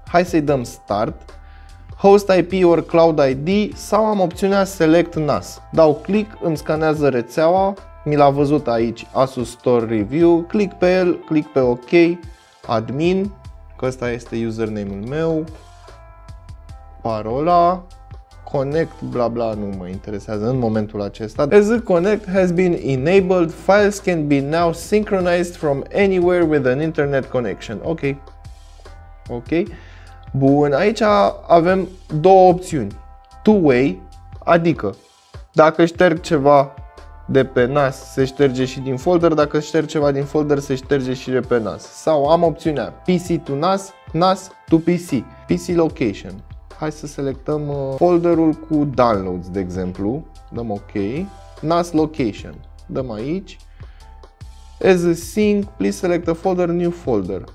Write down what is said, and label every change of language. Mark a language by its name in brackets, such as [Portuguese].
[Romanian] Hai să-i dăm start. [English] Host IP or Cloud ID [Romanian] sau am opțiunea Select NAS. Dau click, îmi scanează rețeaua, mi l-a văzut aici, Asus Store Review, click pe el, click pe OK, admin, că ăsta este username-ul meu, parola, connect, bla bla, nu mă interesează în momentul acesta. [English] As a connect has been enabled, files can be now synchronized from anywhere with an internet connection. OK. OK. [Romanian] Bun, aici avem două opțiuni. Two-way, adică dacă șterg ceva de pe NAS, se șterge și din folder, dacă șterg ceva din folder, se șterge și de pe NAS. Sau am opțiunea PC to NAS, NAS to PC. PC location. Hai să selectăm folderul cu downloads, de exemplu. Dăm OK. NAS location. Dăm aici. [English] As a sync, please select a folder, new folder.